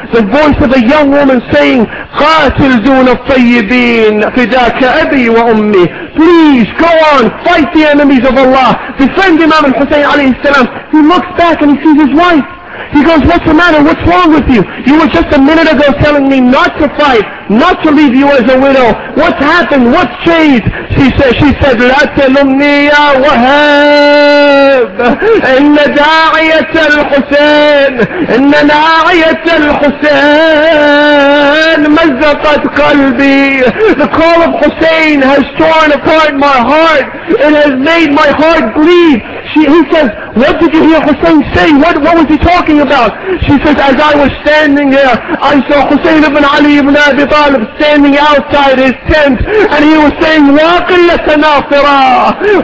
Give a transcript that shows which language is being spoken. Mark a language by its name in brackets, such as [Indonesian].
[English] The voice of a young woman saying, [Arabic] قَاتِلْ دُونَ الطَّيِّبِينَ فِدَاكَ أَبِي وَأُمِّي. [English] Please, go on, fight the enemies of Allah. Defend Imam al-Hussein alayhi salam. He looks back and he sees his wife. He goes, what's the matter? What's wrong with you? You were just a minute ago telling me not to fight, not to leave you as a widow. What's happened? What's changed? She said, [Arabic] لَا تَلُمْنِي يَا وَهَابَ إِنَّ دَاعِيَةَ الْحُسَيْنِ إِنَّ دَاعِيَةَ الْحُسَيْنِ مَزَّقَتْ قَلْبِي. [English] The call of Hussein has torn apart my heart. It has made my heart bleed. He says, what did you hear Hussein say? What was he talking about? She says, as I was standing there, I saw Hussein ibn Ali ibn Abi Talib standing outside his tent, and he was saying, [Arabic] وَاقِلَّةَ نَافِرًا.